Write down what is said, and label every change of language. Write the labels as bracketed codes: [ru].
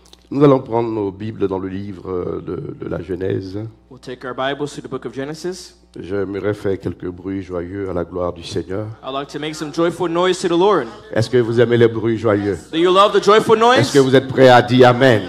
[fr] Nous allons prendre nos Bibles dans le livre de la Genèse. [en] We'll take our Bibles to the book of Genesis. [fr] J'aimerais faire quelques bruits joyeux à la gloire du Seigneur. [en] I'd like to make some joyful noise to the Lord. [fr] Est-ce que vous aimez les bruits joyeux? [en] Do you love the joyful noise? [fr] Est-ce que vous êtes prêts à dire amen?